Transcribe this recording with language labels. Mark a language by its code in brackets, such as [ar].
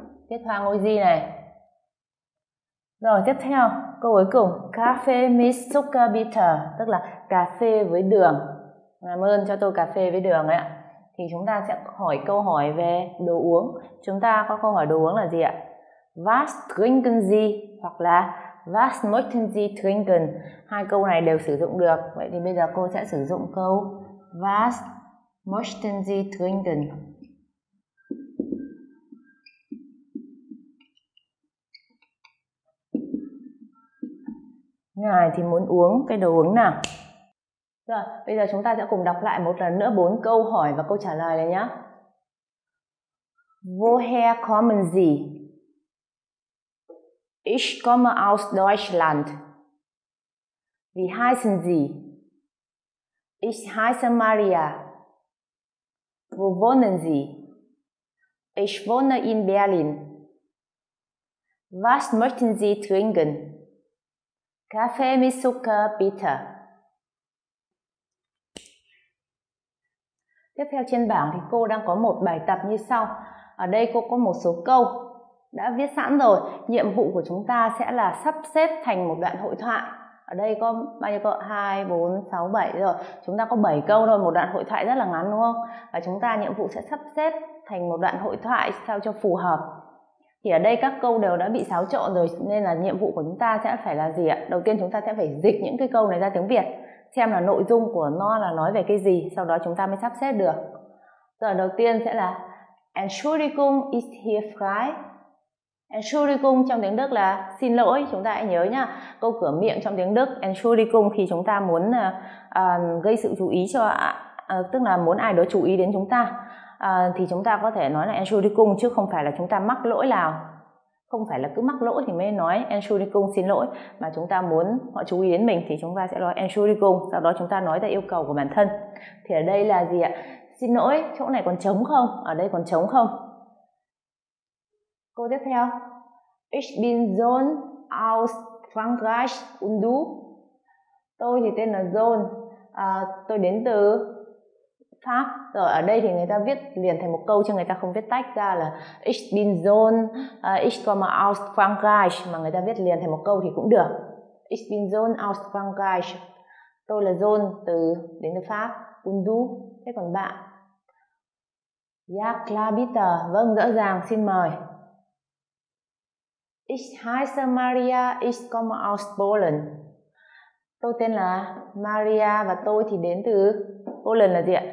[vi] Viết hoa ngôi di này. Rồi tiếp theo, câu cuối cùng, cà phê [de] mit Zucker bitter, [vi] tức là cà phê với đường. Làm ơn cho tôi cà phê với đường ấy ạ. Thì chúng ta sẽ hỏi câu hỏi về đồ uống. Chúng ta có câu hỏi đồ uống là gì ạ? [de] Was trinken Sie? [vi] Hoặc là [de] Was möchten Sie trinken? [vi] Hai câu này đều sử dụng được. Vậy thì bây giờ cô sẽ sử dụng câu [de] Was möchten Sie trinken? [vi] Ngài thì muốn uống cái đồ uống nào? Rồi, bây giờ chúng ta sẽ cùng đọc lại một lần nữa bốn câu hỏi và câu trả lời này nhé. [de] Woher kommen Sie? Ich komme aus Deutschland. Wie heißen Sie? Ich heiße Maria. Wo wohnen Sie? Ich wohne in Berlin. Was möchten Sie trinken? Kaffee mit Zucker, bitte. [vi] Tiếp theo trên bảng thì cô đang có một bài tập như sau. Ở đây cô có một số câu đã viết sẵn rồi. Nhiệm vụ của chúng ta sẽ là sắp xếp thành một đoạn hội thoại. Ở đây có bao nhiêu câu? 2, 4, 6, 7 rồi. Chúng ta có 7 câu thôi, một đoạn hội thoại rất là ngắn đúng không? Và chúng ta nhiệm vụ sẽ sắp xếp thành một đoạn hội thoại sao cho phù hợp. Thì ở đây các câu đều đã bị xáo trộn rồi nên là nhiệm vụ của chúng ta sẽ phải là gì ạ? Đầu tiên chúng ta sẽ phải dịch những cái câu này ra tiếng Việt, xem là nội dung của nó là nói về cái gì, sau đó chúng ta mới sắp xếp được. Rồi đầu tiên sẽ là [de] Entschuldigung, ist hier frei? [vi] Entschuldigung trong tiếng Đức là xin lỗi, chúng ta hãy nhớ nha. Câu cửa miệng trong tiếng Đức Entschuldigung khi chúng ta muốn gây sự chú ý cho tức là muốn ai đó chú ý đến chúng ta thì chúng ta có thể nói là Entschuldigung chứ không phải là chúng ta mắc lỗi nào. Không phải là cứ mắc lỗi thì mới nói Entschuldigung xin lỗi, mà chúng ta muốn họ chú ý đến mình thì chúng ta sẽ nói Entschuldigung, sau đó chúng ta nói ra yêu cầu của bản thân. Thì ở đây là gì ạ? Xin lỗi, chỗ này còn trống không? Ở đây còn trống không? Câu tiếp theo. [de] Ich bin John aus Frankreich und du? [vi] Tôi thì tên là John. Tôi đến từ Pháp. Rồi ở đây thì người ta viết liền thành một câu chứ người ta không viết tách ra là [de] Ich bin John, ich komme aus Frankreich, [vi] mà người ta viết liền thành một câu thì cũng được. [de] Ich bin John aus Frankreich. [vi] Tôi là John đến từ Pháp. [de] Und du? [vi] Thế còn bạn? [de] Ja, klar, bitte. [vi] Vâng, rõ ràng, xin mời. [de] Ich heiße Maria, ich komme aus Poland. [vi] Tôi tên là Maria và tôi thì đến từ Poland là gì ạ?